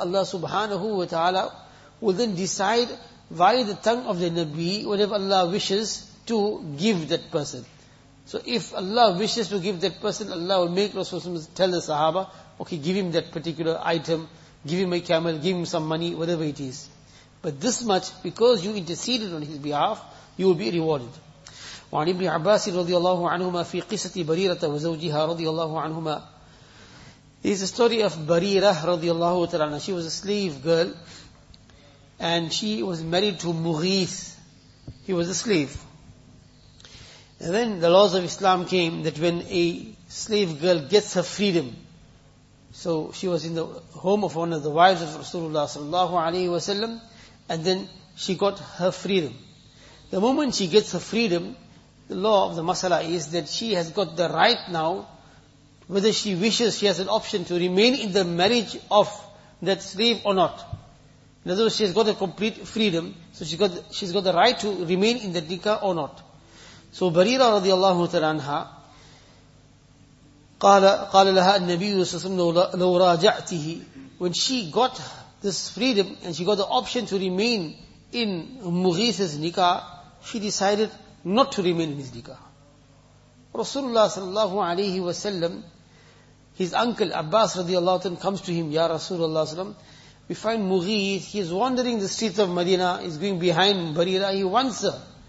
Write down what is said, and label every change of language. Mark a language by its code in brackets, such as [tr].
[en] Allah subhanahu wa ta'ala will then decide via the tongue of the Nabi whatever Allah wishes to give that person. So if Allah wishes to give that person, Allah will make Rasulullah tell the Sahaba, okay, give him that particular item, give him a camel, give him some money, whatever it is. But this much, because you interceded on his behalf, you will be rewarded. [ar] وعن ابن عباس رضي الله عنهما في قصة بريرة وزوجها رضي الله عنهما. [en] This is the story of Barira رضي الله تعالى. She was a slave girl and she was married to Mughith. He was a slave. And then the laws of Islam came that when a slave girl gets her freedom, so she was in the home of one of the wives of Rasulullah sallallahu alayhi wa sallam, and then she got her freedom. The moment she gets her freedom, the law of the masala is that she has got the right now, whether she wishes, she has an option to remain in the marriage of that slave or not. In other words, she has got a complete freedom, so she's got the right to remain in the nikah or not. So Barira radiallahu ta'ala anha, [ar] قال لها النبي صلى الله عليه وسلم لو راجعته. [en] When she got this freedom and she got the option to remain in Mughith's nikah, she decided not to remain in his nikah. Rasulullah sallallahu alayhi wa sallam, his uncle Abbas radiallahu ta'ala anha comes to him, Ya Rasulullah sallam, we find Mughith, he is wandering the streets of Medina, he's going behind Barira, he wants her.